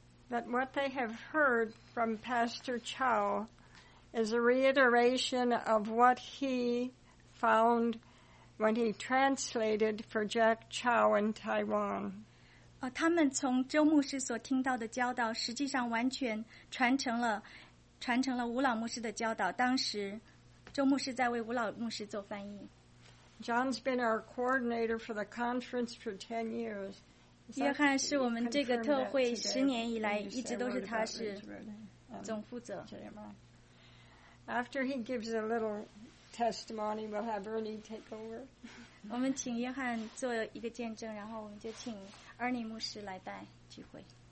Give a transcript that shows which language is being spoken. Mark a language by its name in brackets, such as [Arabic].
[English] That what they have heard from Pastor Chow is a reiteration of what he found when he translated for Jack Chow in Taiwan. [Chinese] 他们从周牧师所听到的教导实际上完全传承了吴老牧师的教导。当时周牧师在为吴老牧师做翻译。 [English] John's been our coordinator for the conference for 10 years. [Chinese] 约翰是我们这个特会十年以来一直都是他是总负责。 [English] After he gives a little testimony, we'll have Ernie take over. [Chinese] 我们请约翰做一个见证, 然后我们就请Ernie牧师来带聚会。